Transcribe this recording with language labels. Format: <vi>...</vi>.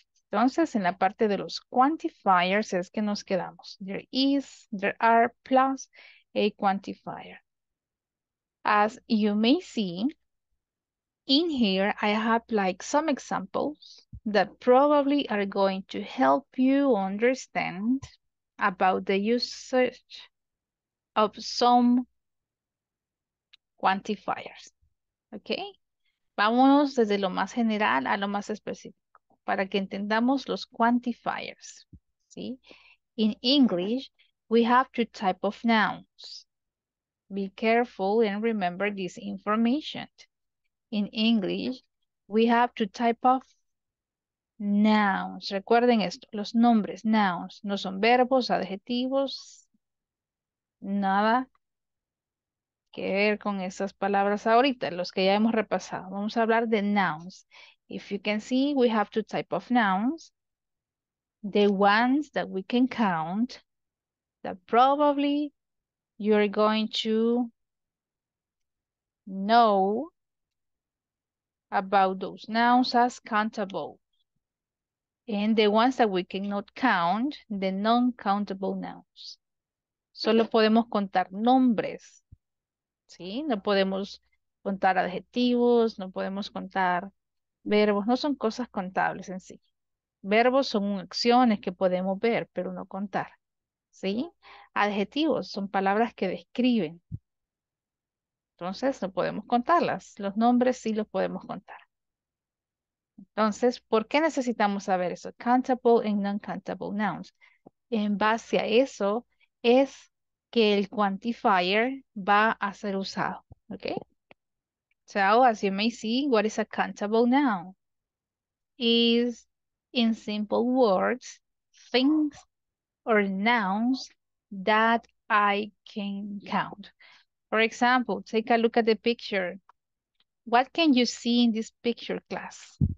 <es>Entonces, en la parte de los quantifiers es que nos quedamos.</es> <en>There is, there are, plus a quantifier. As you may see, in here I have like some examples that probably are going to help you understand about the usage of some quantifiers. Okay?</en> <es>Vámonos desde lo más general a lo más específico para que entendamos los quantifiers. ¿Sí?</es> <en>In English, we have two types of nouns. Be careful and remember this information. In English, we have to type of nouns.</en> <es>Recuerden esto, los nombres, nouns, no son verbos, adjetivos, nada que ver con esas palabras ahorita, los que ya hemos repasado. Vamos a hablar de nouns.</es> <en>If you can see, we have two type of nouns. The ones that we can count, that probably you're going to know about those nouns as countable. And the ones that we cannot count, the non-countable nouns.</en> <es>Solo podemos contar nombres, ¿sí? No podemos contar adjetivos, no podemos contar verbos, no son cosas contables en sí. Verbos son acciones que podemos ver, pero no contar, ¿sí? Adjetivos son palabras que describen. Entonces, no podemos contarlas. Los nombres sí los podemos contar. Entonces, ¿por qué necesitamos saber eso?</es> <en>Countable and non-countable nouns.</en> <es>En base a eso es que el quantifier va a ser usado, ¿ok?</es> <en>So, as you may see, what is a countable noun? Is, in simple words, things or nouns that I can count. For example, take a look at the picture. What can you see in this picture, class?</en>